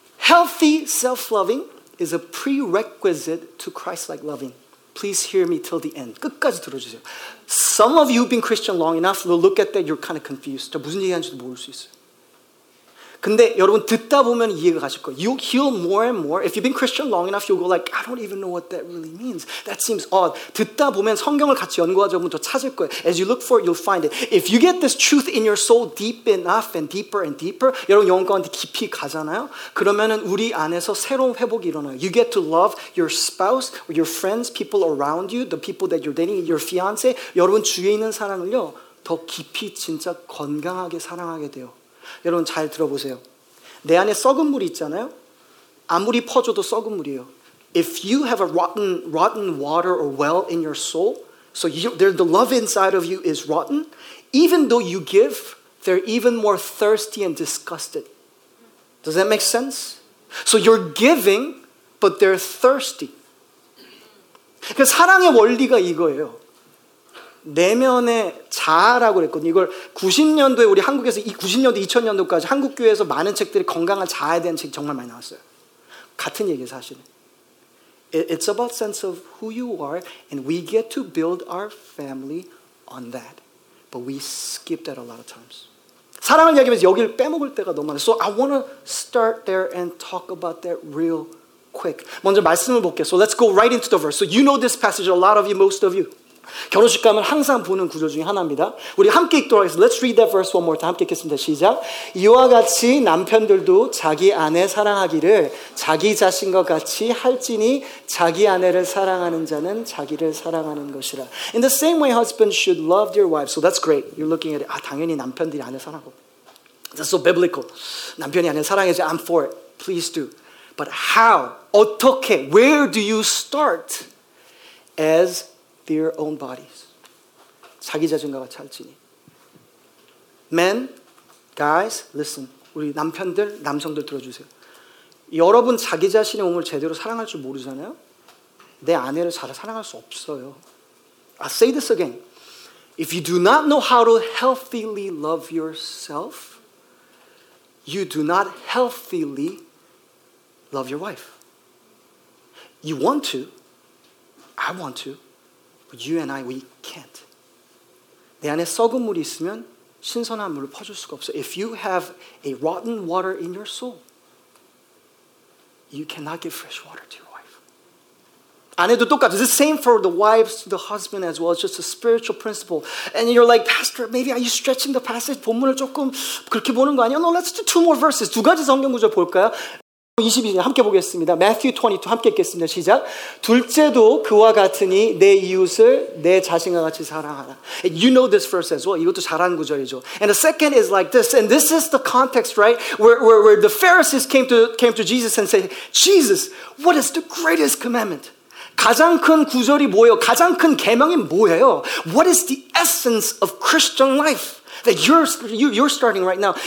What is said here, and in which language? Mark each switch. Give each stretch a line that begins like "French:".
English: Healthy self-loving is a prerequisite to Christ-like loving. Please hear me till the end.
Korean: 끝까지 들어주세요.
English: Some of you have been Christian long enough, will look at that, you're kind of confused.
Korean: 저 무슨 얘기하는지도 모를 수 있어요. 근데 여러분 듣다 보면 이해가 가실 거예요.
English: You'll heal more and more. If you've been Christian long enough, you'll go like, I don't even know what that really means. That seems odd.
Korean: 듣다 보면 성경을 같이 연구하다 보면 더 찾을 거예요.
English: As you look for it, you'll find it. If you get this truth in your soul deep enough and deeper,
Korean: 여러분 영혼 가운데 깊이 가잖아요. 그러면은 우리 안에서 새로운 회복이 일어나요.
English: You get to love your spouse, or your friends, people around you, the people that you're dating, your fiance.
Korean: 여러분 주위에 있는 사랑을요, 더 깊이 진짜 건강하게 사랑하게 돼요. 여러분 잘 들어보세요. 내 안에 썩은 물이 있잖아요. 아무리 퍼줘도 썩은 물이에요.
English: If you have a rotten water or well in your soul, so the love inside of you is rotten, even though you give, they're even more thirsty and disgusted. Does that make sense? So you're giving, but they're thirsty.
Korean: 그래서 사랑의 원리가 이거예요. 내면의 자아라고 그랬거든요. 이걸 90년도에 우리 한국에서 90년도 2000년도까지 한국 교회에서 많은 책들이 건강한 자아에 대한 책이 정말 많이 나왔어요. 같은 얘기예요 사실은.
English: It's about sense of who you are, and we get to build our family on that. But we skip that a lot of times.
Korean: 사랑을 이야기하면서 여기를 빼먹을 때가 너무 많아요.
English: So I want to start there and talk about that real quick.
Korean: 먼저 말씀을 볼게요.
English: So let's go right into the verse. So you know this passage, a lot of you, most of you.
Korean: 결혼식 가면 항상 보는 구절 중에 하나입니다. 우리 함께 읽도록 하겠습니다.
English: Let's read that verse one more time.
Korean: 함께 읽겠습니다. 시작. 이와 같이 남편들도 자기 아내 사랑하기를 자기 자신과 같이 할지니 자기 아내를 사랑하는 자는 자기를 사랑하는 것이라.
English: In the same way, husbands should love their wives. So that's great. You're looking at it.
Korean: 아, 당연히 남편들이 아내 사랑하고.
English: That's so biblical.
Korean: 남편이 아내 사랑해야지.
English: I'm for it. Please do. But how?
Korean: 어떻게?
English: Where do you start as their own bodies.
Korean: 자기 자신과 같이 할지니.
English: Men, guys, listen.
Korean: 우리 남편들, 남성들 들어주세요. 여러분 자기 자신의 몸을 제대로 사랑할 줄 모르잖아요. 내 아내를 잘 사랑할 수 없어요.
English: I say this again. If you do not know how to healthily love yourself, you do not healthily love your wife. You want to. I want to. But you and I, we can't.
Korean: 내 안에 썩은 물이 있으면 신선한 물을 퍼줄 수가 없어.
English: If you have a rotten water in your soul, you cannot give fresh water to your wife.
Korean: 아내도 똑같아.
English: It's the same for the wives, the husband as well. It's just a spiritual principle. And you're like, Pastor, maybe are you stretching the passage?
Korean: 본문을 조금 그렇게 보는 거 아니야?
English: No, let's do two more verses.
Korean: 두 가지 성경 구절 볼까요? 22절 함께 보겠습니다. Matthew 22 함께 읽겠습니다. 시작. 둘째도 그와 같으니 내 이웃을 내 자신과 같이 사랑하라.
English: And you know this verse as well.
Korean: 이것도 잘하는 구절이죠.
English: And the second is like this. And this is the context, right? Where the Pharisees came to Jesus and said, Jesus, what is the greatest commandment?
Korean: 가장 큰 구절이 뭐예요? 가장 큰 계명이 뭐예요?
English: What is the essence of Christian life that you're starting right now?